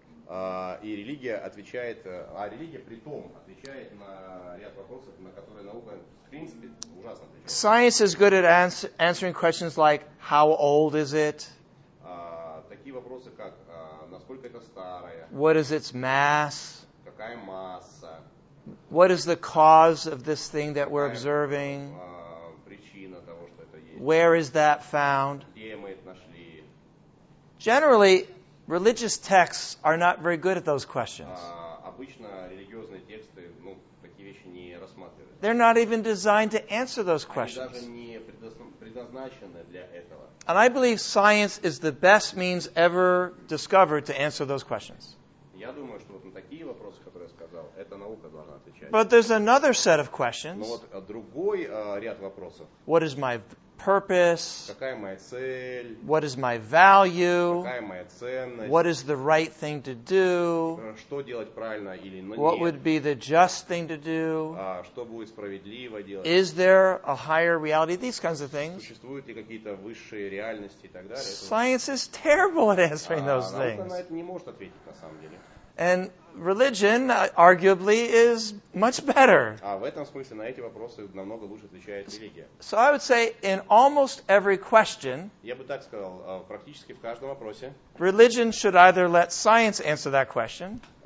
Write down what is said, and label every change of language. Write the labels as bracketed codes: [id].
[ru] И религия отвечает, а религия при том отвечает на ряд вопросов, на которые наука, в принципе, ужасно отвечает. [en] Science is good at answering questions like how old is it? [ru] Такие вопросы как насколько это старое? [en] What is its mass? [ru] Какая масса? [en] What is the cause of this thing that we're observing? [ru] Причина того, что это есть. [en] Where is that found? [ru] Где мы это нашли? [en] Generally, religious texts are not very good at those questions. [ru] Обычно религиозные тексты, ну, такие вещи не рассматривают. [en] They're not even designed to answer those questions. [ru] Они даже не предназначены для этого. [en] And I believe science is the best means ever discovered to answer those questions. [ru] Я думаю, что вот на такие вопросы, которые я сказал, эта наука должна отвечать. [en] But there's another set of questions. [ru] Но вот другой ряд вопросов. [en] What is my purpose? [ru] Какая моя цель? [en] What is my value? [ru] Какая моя ценность? [en] What is the right thing to do? [ru] Что делать правильно или нет? [en] What would be the just thing to do? [ru] Что будет справедливо делать? [en] Is there a higher reality? These kinds of things. [ru] Существуют ли какие-то высшие реальности и так далее? [en] Science is terrible at answering those things. [ru] Наука на это не может ответить на самом деле. [en] And religion, arguably, is much better. [ru] В этом смысле на эти вопросы намного лучше отвечает религия. [en] So I would say in almost every question, [ru] я бы так сказал, практически в каждом вопросе, [en] religion should either let science answer that question,